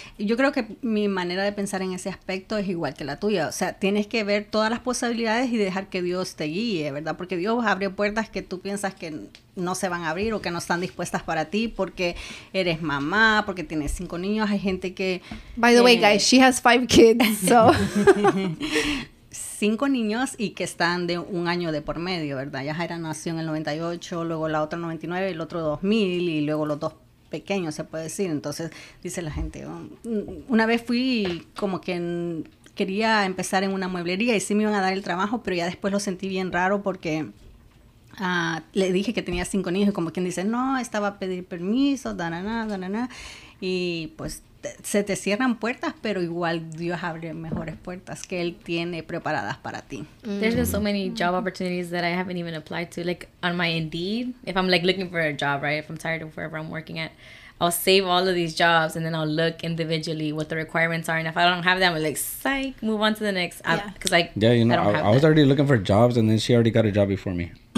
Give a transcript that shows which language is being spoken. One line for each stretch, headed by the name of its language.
Spanish: Yo creo que mi manera de pensar en ese aspecto es igual que la tuya. O sea, tienes que ver todas las posibilidades y dejar que Dios te guíe, ¿verdad? Porque Dios abre puertas que tú piensas que no se van a abrir o que no están dispuestas para ti porque eres mamá, porque tienes 5 niños. Hay gente que...
English: By the way, guys, she has 5 kids, so...
Spanish: 5 niños y que están de 1 año de por medio, ¿verdad? Yajaira nació en el 98, luego la otra 99, el otro 2000 y luego los dos pequeño, se puede decir. Entonces, dice la gente, una vez fui como que quería empezar en una mueblería y sí me iban a dar el trabajo, pero ya después lo sentí bien raro porque le dije que tenía 5 niños y como quien dice, no, estaba a pedir permiso, y pues se te cierran puertas, pero igual Dios abre mejores puertas que Él tiene preparadas para ti.
English: There's been so many job opportunities that I haven't even applied to, like on my Indeed. If I'm like looking for a job, right? If I'm tired of wherever I'm working at, I'll save all of these jobs and then I'll look individually what the requirements are. And if I don't have them, I'm like, psych, move on to the next. I was already looking for jobs and then she already got a job before me.